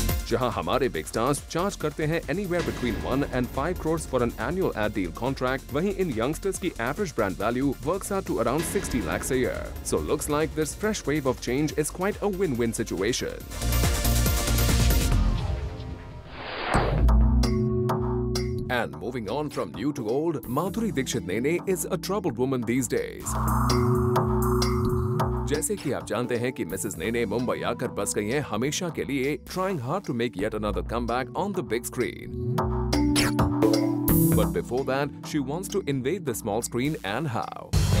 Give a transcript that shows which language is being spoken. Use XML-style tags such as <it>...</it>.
<hi>जहां हमारे</hi> <en>big stars charge</en> <hi>करते हैं</hi> <en>anywhere between 1 and 5 crores for an annual ad deal contract,</en> <hi>वहीं इन</hi> <en>youngsters</en> <hi>की</hi> <en>Average brand value works out to around 60 lakh a year. So looks like this fresh wave of change is quite a win win situation. And moving on from new to old, Madhuri Dixit Nene is a troubled woman these days.</en> <hi>जैसे कि आप जानते हैं कि Mrs नेने मुंबई आकर बस गई हैं हमेशा के लिए,</hi> <en>Trying hard to make yet another comeback on the big screen. But before that she wants to invade the small screen and how.</en>